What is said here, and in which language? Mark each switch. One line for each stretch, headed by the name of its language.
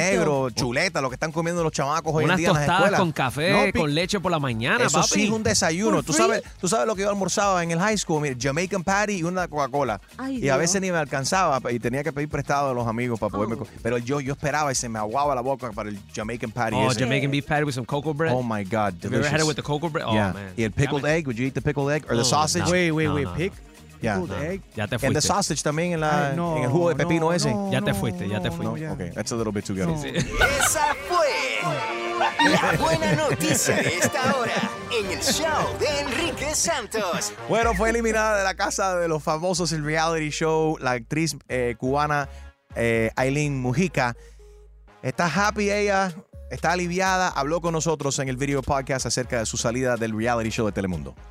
Spanish: Negros, chuleta, lo que están comiendo los chamacos hoy en día en las escuelas. Unas tostadas con café, con leche por la mañana, eso papi. Eso sí es un desayuno. ¿Tú sabes lo que yo almorzaba en el high school? Mira, Jamaican patty y una Coca-Cola. Ay, y Dios. A veces ni me alcanzaba y tenía que pedir prestado a los amigos para poderme comer. Pero yo esperaba y se me aguaba la boca para el Jamaican patty.
English: Oh, Jamaican beef patty with some cocoa bread. Oh, my God, delicious. Have you ever had it with the cocoa bread? Oh, yeah. Man.
Spanish: Y el
English: pickled egg, would you eat the pickled egg or the sausage? No. Wait, no. Pick? Yeah.
Spanish: Ya te fuiste.
English: And the sausage
Spanish: también en, la, no, en el jugo de pepino no, ese. No, ya te fuiste, ya te fuiste. No,
English: yeah. Okay, that's a little bit too good. No.
Spanish: Sí. Esa fue la buena noticia de esta hora en el show de Enrique Santos. Bueno, fue eliminada de la casa de los famosos el reality show la actriz cubana Aileen Mujica. Está happy ella, está aliviada. Habló con nosotros en el video podcast acerca de su salida del reality show de Telemundo.